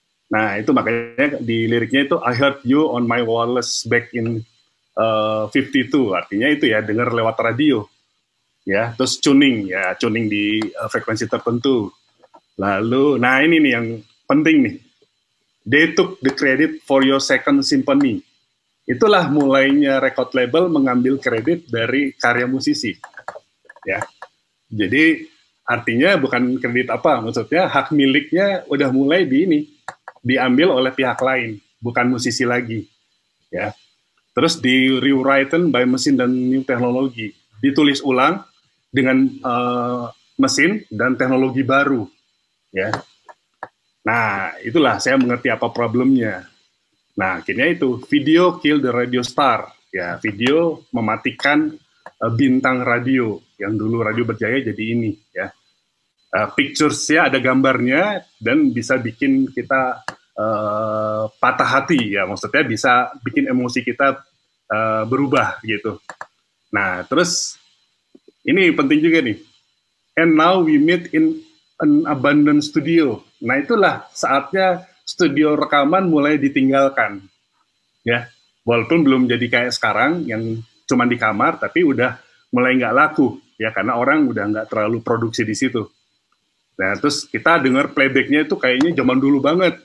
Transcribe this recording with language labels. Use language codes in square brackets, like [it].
[id] Nah, itu makanya di liriknya itu [en] I heard you on my wireless back in 52. [id] Artinya itu ya, dengar lewat radio. Ya, terus tuning ya, tuning di frekuensi tertentu. Lalu nah ini nih yang penting nih. [en] They took the credit for your second symphony. [id] Itulah mulainya record label mengambil kredit dari karya musisi. Ya. Jadi artinya bukan kredit apa, maksudnya hak miliknya udah mulai di ini, diambil oleh pihak lain, bukan musisi lagi, ya. terus di rewritten by mesin dan new teknologi, ditulis ulang dengan mesin dan teknologi baru, ya. Nah, itulah saya mengerti apa problemnya. Nah, akhirnya itu video kill the radio star, ya, video mematikan bintang radio yang dulu radio berjaya jadi ini, ya. Pictures-nya ada gambarnya dan bisa bikin kita patah hati, ya, maksudnya bisa bikin emosi kita berubah gitu. Nah, terus ini penting juga nih. [en] And now we meet in an abandoned studio. [id] Nah, itulah saatnya studio rekaman mulai ditinggalkan. Ya, walaupun belum jadi kayak sekarang yang cuma di kamar, tapi udah mulai nggak laku, ya, karena orang udah nggak terlalu produksi di situ. Nah, terus kita dengar playbacknya itu kayaknya zaman dulu banget.